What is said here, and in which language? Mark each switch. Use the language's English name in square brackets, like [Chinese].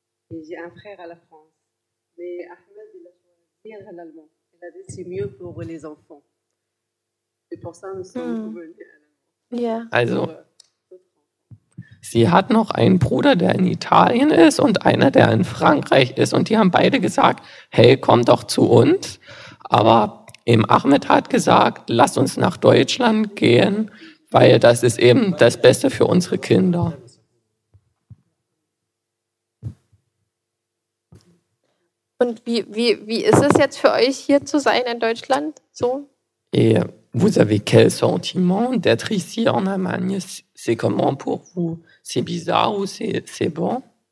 [French] J'ai un frère à la France, mais Ahmed il a choisi l'allemand. Il a dit c'est mieux pour les enfants. C'est pour ça que nous sommes venus à l'allemand. Yeah. [German] Also, sie hat noch einen Bruder, der in Italien ist und einer, der in Frankreich ist. Und die haben beide gesagt, hey, komm doch zu uns. Aber eben Ahmed hat gesagt, lass uns nach Deutschland gehen. Weil das ist eben das Beste für unsere Kinder. Und wie ist es jetzt für euch hier zu sein in Deutschland? So. [French] Et vous avez quel sentiment d'être ici en Allemagne? C'est comment pour vous? C'est bizarre ou c'est bon?